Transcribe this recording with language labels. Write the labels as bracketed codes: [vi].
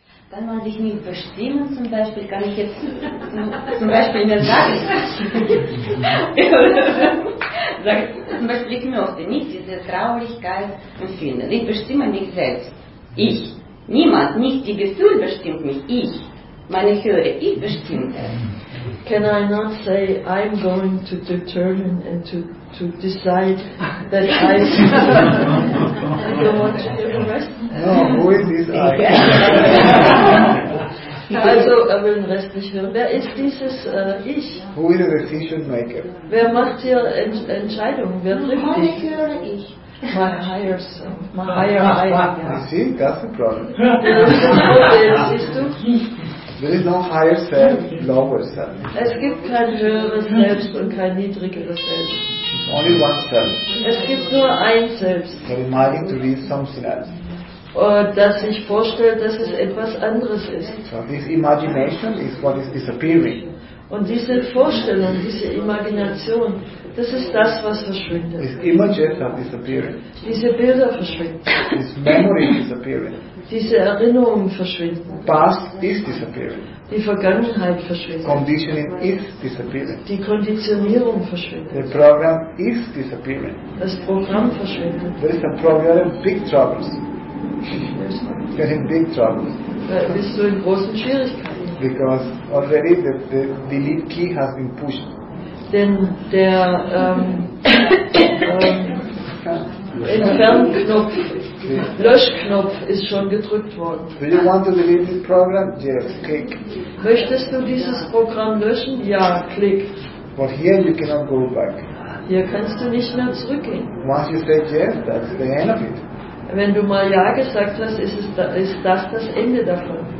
[de] Wenn man sich nicht bestimmen, zum Beispiel, kann ich jetzt zum Beispiel in der Sache ich möchte nicht diese Traurigkeit empfinden. Ich bestimme mich selbst. Ich. Niemand, nicht die Gefühl bestimmt mich. Ich. Meine Höhere, ich bestimme. [en] Can I not say, I'm going to determine and to decide that I don't want to do the rest? No, who is this I? [de] Also, aber den Rest nicht hören. Wer ist dieses Ich? [en] Who is the decision maker? [de] Wer macht hier Entscheidungen? Wer trifft dich? Meine Höhere, ich. [en] My higher self, my higher higher. You see, that's the problem. There is no higher self, lower self. [de] Es gibt kein höheres Selbst und kein niedrigeres Selbst. [en] There's only one self. [de] Es gibt nur ein Selbst. [en] But imagine to be something else. [de] Und dass ich vorstelle, dass es etwas anderes ist. [en] So this imagination is what is disappearing. [de] Und diese Vorstellung, diese Imagination, das ist das, was verschwindet. [en] These images are disappearing. [de] Diese Bilder verschwinden. [en] This memory is disappearing. [de] Diese Erinnerungen verschwinden. [en] Past is disappearing. [de] Die Vergangenheit verschwindet. [en] Conditioning is disappearing. [de] Die Konditionierung verschwindet. [en] The program is disappearing. [de] Das Programm verschwindet. [en] There is a problem, big troubles. Getting big troubles. [de] Bist du in großen Schwierigkeiten? [en] Because already the delete key has been pushed. [de] Denn der Entfernknopf, Löschknopf ist schon gedrückt worden. [en] Do you want to delete this program? Yes, click. [de] Möchtest du dieses Programm löschen? Ja, klick. [en] But here you cannot go back. [de] Hier kannst du nicht mehr zurückgehen. [en] Once you say yes, that's the end of it. [de] Wenn du mal Ja gesagt hast, ist das das Ende davon.